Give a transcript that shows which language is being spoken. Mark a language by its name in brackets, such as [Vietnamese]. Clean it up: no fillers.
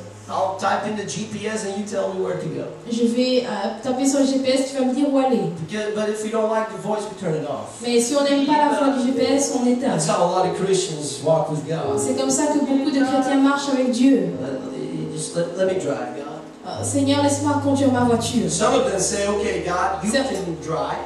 [English] I'll type in the GPS and you tell me where to go. [French] Je vais taper sur le GPS, tu vas me dire où aller. [English] Because, but if you don't like the voice, we turn it off. [French] Mais si on n'aime pas la voix du GPS, on éteint. [English] That's how a lot of Christians walk with God. [French] C'est comme ça que beaucoup de chrétiens marchent avec Dieu. [English] Let me drive, God. [French] Seigneur, laisse-moi conduire ma voiture. [English] Some of them say, okay, God, you can drive.